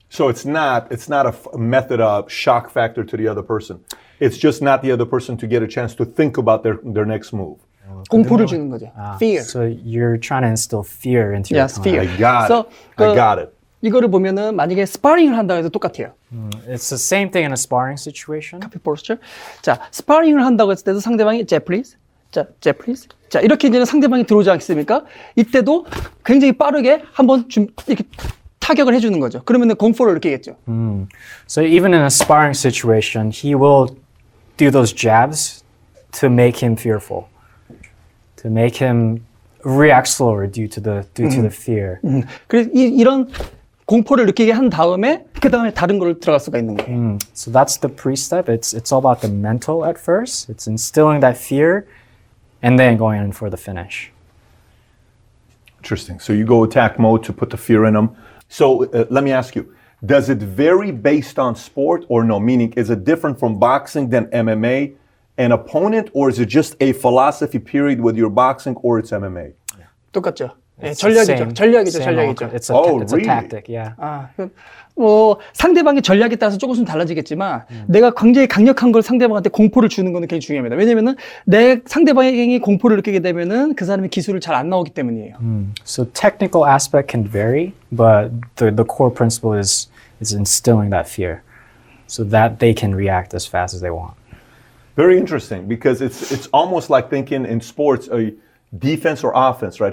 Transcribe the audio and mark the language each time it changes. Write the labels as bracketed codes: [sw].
[en] So it's not a method of shock factor to the other person. It's just not the other person to get a chance to think about their next move. [ko] 공포를 주는 거죠. [en] Fear. So you're trying to instill fear into your opponent. Yes, fear. I got it. [ko] 이거를 보면은 만약에 스파링을 한다 해도 똑같아요. [en] It's the same thing in a sparring situation. Copy posture. [ko] 자, 스파링을 한다고 했을 때도 상대방이 Jeff, please. 자, Jeff, please. 자, 이렇게 이제는 상대방이 들어오지 않겠습니까? 이때도 굉장히 빠르게 한번 이렇게 타격을 해주는 거죠. 그러면은 공포를 느끼겠죠. [en] So even in a sparring situation, he will do those jabs to make him fearful, to make him react slower due to the fear. [ko] 그래서 이런 공포를 느끼게 한 다음에 그 다음에 다른 걸 들어갈 수가 있는 거예요. [en] So that's the pre-step. It's all about the mental at first. It's instilling that fear, and then going in for the finish. Interesting. So you go attack mode to put the fear in them. So let me ask you, does it vary based on sport or no? Meaning, is it different from boxing than MMA, an opponent, or is it just a philosophy period with your boxing or it's MMA? [ko] 똑같죠. 네, 전략이죠. [en] Same, [ko] 전략이죠. 전략이죠. [en] It's a, oh, it's a really? tactic. Yeah. [ko] 뭐 상대방의 전략에 따라서 조금씩 달라지겠지만 내가 굉장히 강력한 걸 상대방한테 공포를 주는 거는 굉장히 중요합니다. 왜냐면은 내 상대방이 공포를 느끼게 되면은 그 사람의 기술을 잘 안 나오기 때문이에요. [en] So technical aspect can vary, but the core principle is instilling that fear so that they can react as fast as they want. Very interesting because it's almost like thinking in sports a defense or offense, right?